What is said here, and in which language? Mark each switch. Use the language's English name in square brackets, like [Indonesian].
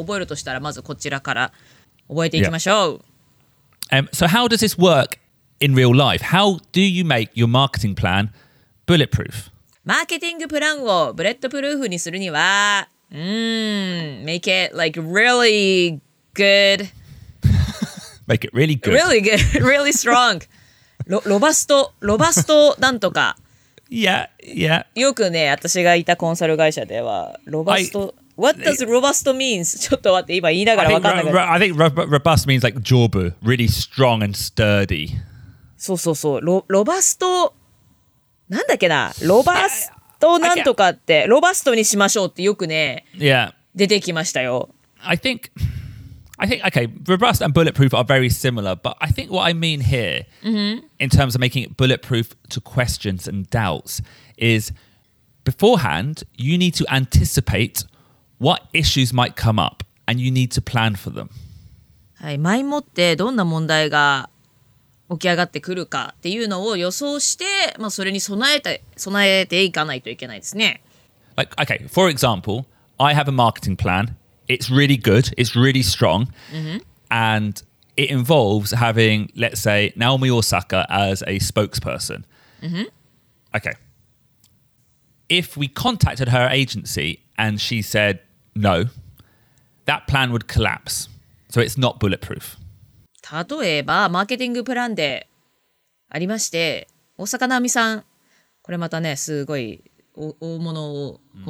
[Japanese] 覚えるとしたらまずこちらから覚えていきましょう。 [English] Yeah. So how does this work in real life? How do you make your marketing plan bulletproof? [Japanese] マーケティングプランをブレットプルーフにするには、 [English] make it like really good. make it really good. Really good. really strong. [Japanese] ロバストなんとか。 [English] Yeah, yeah. [Japanese] よくね、私がいたコンサル会社ではロバスト。 [English] What does robust means? [Japanese] ちょっと待って、今言いながら分かんなかった。 [English] I think robust means like [Japanese] 丈夫、 [English] really strong and sturdy. [Japanese] そうそうそう、ロバストなんだっけな、ロバストなんとかってロバストにしましょうってよくね、 [English] yeah. [Japanese] 出てきましたよ。 [English] I think okay, robust and bulletproof are very similar, but I think what I mean here、 mm-hmm. in terms of making it bulletproof to questions and doubts is beforehand, you need to anticipate what issues might come up and you need to plan for them. [Japanese] はい、前もってどんな問題が起き上がってくるかっていうのを予想して、まあ、それに備えていかないといけないですね。 [English] Like, okay, for example, I have a marketing plan. It's really good. It's really strong. Mm-hmm. And it involves having, let's say, Naomi Osaka as a spokesperson. Mm-hmm. Okay. If we contacted her agency and she said no, that plan would collapse. So it's not bulletproof. [Japanese] 例えば、マーケティングプランでありまして、大阪直美さん、これまたね、すごい大物を、mm-hmm.